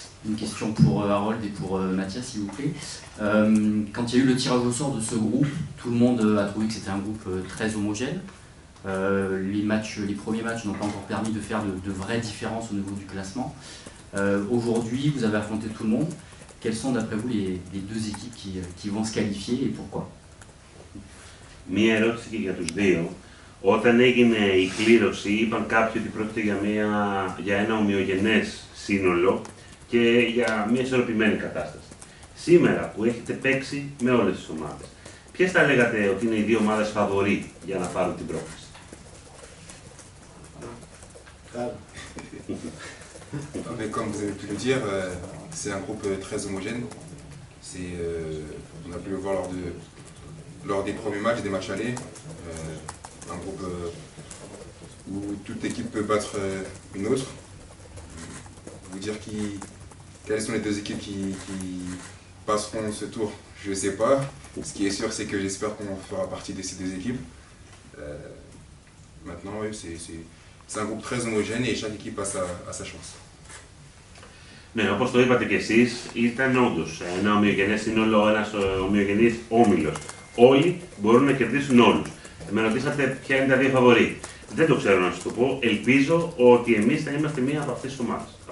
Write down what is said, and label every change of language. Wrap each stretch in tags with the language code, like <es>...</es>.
<fr>Une question pour Harold et pour Mathias, s'il vous plaît. Quand il y a eu le tirage au sort de ce groupe, tout le monde a trouvé que c'était un groupe très homogène. Les premiers matchs n'ont pas encore permis de faire de vraies différences au niveau du classement. Aujourd'hui, vous avez affronté tout le monde. Quelles sont, d'après vous, les deux équipes qui vont se qualifier et pourquoi ?</fr> <el>Μια ερώτηση και για τους δύο. Όταν έγινε η κλήρωση, είπαν κάποιοι ότι πρόκειται για ένα ομοιογενές σύνολο. Και για μια ισορροπημένη κατάσταση. Σήμερα που έχετε παίξει με όλες τις ομάδες, ποιες θα λέγατε ότι είναι οι δύο ομάδες φαβορί για να πάρουν την πρόκληση? Καλά.</el> <fr>Comme vous avez pu le dire, c'est un groupe très homogène. On a pu le voir lors des premiers matchs, des matchs allés. Un groupe où toute équipe peut battre une autre. Vous dire quelles sont les deux équipes qui passeront ce tour, je ne sais pas. Ce qui est sûr, c'est que j'espère qu'on fera partie de ces deux équipes. Maintenant, oui, c'est un groupe très homogène et chaque équipe a sa chance.</fr> <el>Ναι, όπως το είπατε και εσείς, ήταν όντως ένα ομοιογενές σύνολο, ένας ομοιογενής όμιλος. Όλοι μπορούν να κερδίσουν όλους. Με ρωτήσατε ποια είναι τα δύο φαβορί. Δεν το ξέρω να σας το πω. Ελπίζω ότι εμείς θα είμαστε μία από αυτές τις ομάδες.</el>